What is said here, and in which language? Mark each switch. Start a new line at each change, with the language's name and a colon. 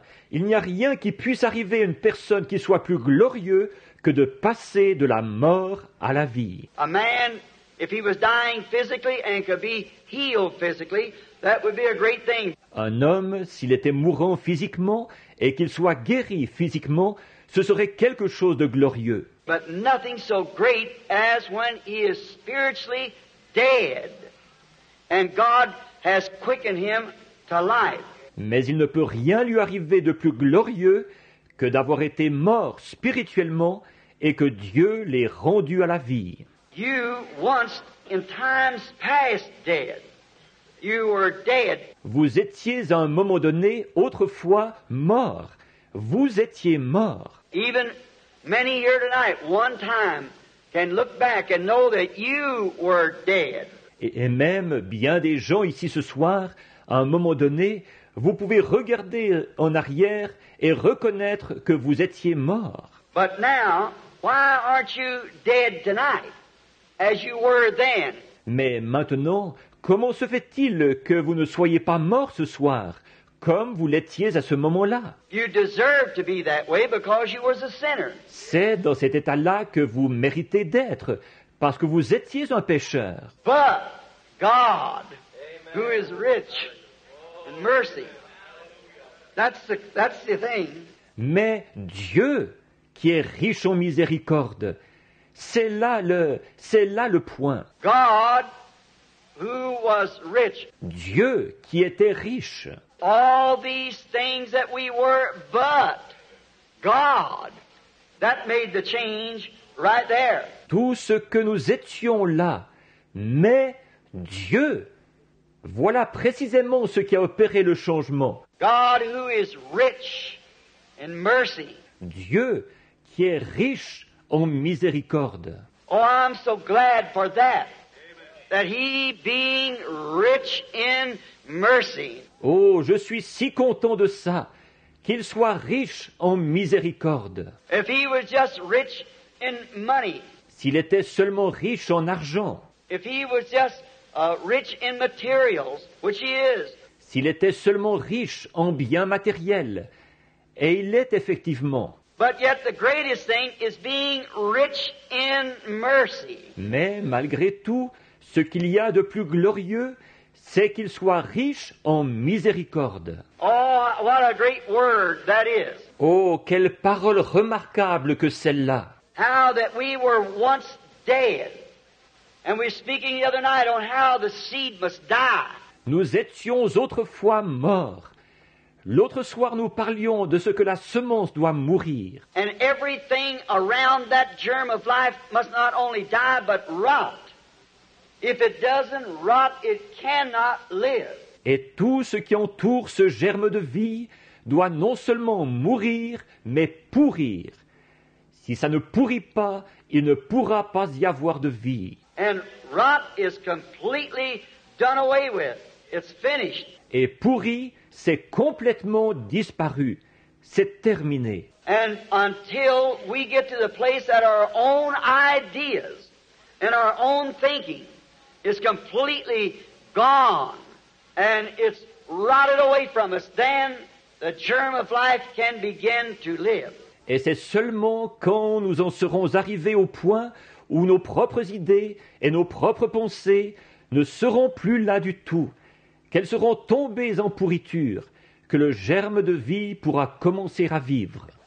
French: Il n'y a rien qui puisse arriver à une personne qui soit plus glorieux que de passer de la mort à la vie.
English: A man, if he was dying physically and could be healed physically, that would be a great thing.
French: Un homme, s'il était mourant physiquement et qu'il soit guéri physiquement, ce serait quelque chose de glorieux.
English: But nothing so great as when he is spiritually dead and God has quickened him to life.
French: Mais il ne peut rien lui arriver de plus glorieux que d'avoir été mort spirituellement et que Dieu l'ait rendu à la vie.
English: You once in times past dead. You were dead.
French: Vous étiez à un moment donné autrefois mort. Vous étiez mort.
English: Even many here tonight, one time, can look back and know that you were dead.
French: Et même bien des gens ici ce soir, à un moment donné, vous pouvez regarder en arrière et reconnaître que vous étiez mort.
English: But now, why aren't you dead tonight, as you were then?
French: Mais maintenant, comment se fait-il que vous ne soyez pas mort ce soir, comme vous l'étiez à ce moment-là?
English: You deserve to be that way because you was a sinner.
French: C'est dans cet état-là que vous méritez d'être, parce que vous étiez un pécheur.
English: But God, amen, who is rich in mercy, that's the thing.
French: Mais Dieu, qui est riche en miséricorde, c'est là le point.
English: God, who was rich.
French: Dieu, qui était riche.
English: All these things that we were, but God, that made the change right there.
French: Tout ce que nous étions là, mais Dieu, voilà précisément ce qui a opéré le changement.
English: God who is rich in mercy.
French: Dieu qui est riche en miséricorde.
English: Oh, I'm so glad for that. That he being rich in mercy.
French: Oh, je suis si content de ça, qu'il soit riche en miséricorde.
English: If he was just rich in money.
French: S'il était seulement riche en argent.
English: If he was just rich in materials, which he is.
French: S'il était seulement riche en biens matériels, et il l'est effectivement.
English: But yet the greatest thing is being rich in mercy.
French: Mais malgré tout, ce qu'il y a de plus glorieux, c'est qu'il soit riche en miséricorde.
English: Oh, what a great word that is.
French: Oh, quelle parole remarquable que celle-là.
English: How that we were once dead. And we were speaking the other night on how the seed must die.
French: Nous étions autrefois morts. L'autre soir, nous parlions de ce que la semence doit mourir.
English: And everything around that germ of life must not only die, but rot. If it doesn't rot, it cannot live.
French: Et tout ce qui entoure ce germe de vie doit non seulement mourir, mais pourrir. Si ça ne pourrit pas, il ne pourra pas y avoir de vie.
English: And rot is completely done away with. It's finished.
French: Et pourri, c'est complètement disparu. C'est terminé.
English: And until we get to the place that our own ideas and our own thinking is completely gone and it's rotted away from us, then the germ of life can begin to live.
French: Et c'est seulement quand nous en serons arrivés au point où nos propres idées et nos propres pensées ne seront plus là du tout, qu'elles seront tombées en pourriture, que le germe de vie pourra commencer à vivre.